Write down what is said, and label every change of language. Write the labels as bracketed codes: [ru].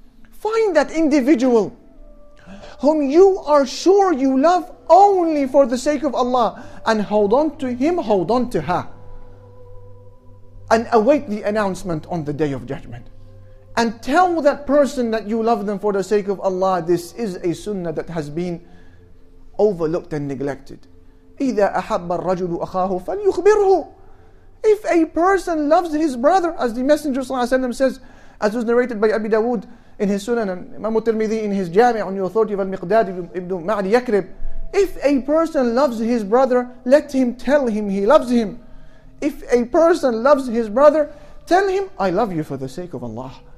[en] Find that individual whom you are sure you love only for the sake of Allah, and hold on to him, hold on to her, and await the announcement on the day of judgment. And tell that person that you love them for the sake of Allah. This is a sunnah that has been overlooked and neglected. [ar] إِذَا أَحَبَّ الرَّجُلُ أَخَاهُ فَلْيُخْبِرْهُ. [en] If a person loves his brother, as the Messenger ﷺ says, as was narrated by Abi Dawood in his Sunan, and Imam al-Tirmidhi in his Jami' on the authority of al-Miqdad ibn Ma'ad Yakrib, if a person loves his brother, let him tell him he loves him. If a person loves his brother, tell him, I love you for the sake of Allah.